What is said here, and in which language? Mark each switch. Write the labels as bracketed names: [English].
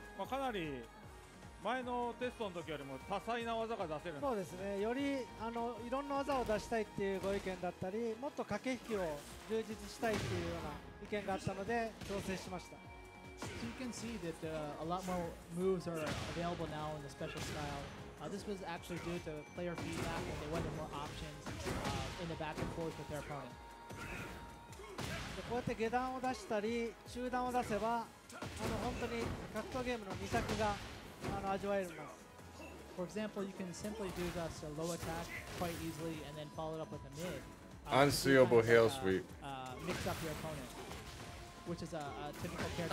[Japanese] かなり前のテストの時よりも多彩な技が出せるんです。そうですね。よりあのいろんな技を出したいっていうご意見だったり、もっと駆け引きを充実したいっていうような意見があったので調整しました。 [English] So、you can see that there are a lot more moves are available now in the special style.、this was actually due to player feedback and they wanted more options、in the back and forth with their opponent. [Japanese] こうやって下段を出したり中段を出せば。あの本当に格闘ゲームの2択があの味わえるんです。 [English] For example, you can simply do just a low attack quite easily and then follow it up with a mid. Unsealable hail sweep. Mix up your opponent, which is a typical character.